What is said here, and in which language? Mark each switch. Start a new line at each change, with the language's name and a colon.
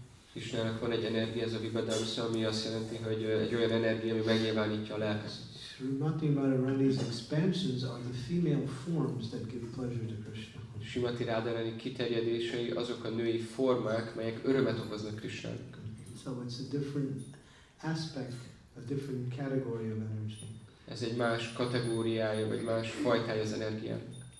Hungarian: Krishnának van egy energia, ez a Vibhansa, ami azt jelenti, hogy egy olyan energia, ami megnyilvánítja a lelket.
English: Srimati Radharani's expansions are the female forms that give pleasure to Krishna.
Hungarian: Srimati Radharani kiterjedései azok a női formák, melyek örömet okoznak Krishnának.
English: So it's a different aspect, a different category of energy.
Hungarian: Ez egy más kategóriája, vagy más fajtája az energiának.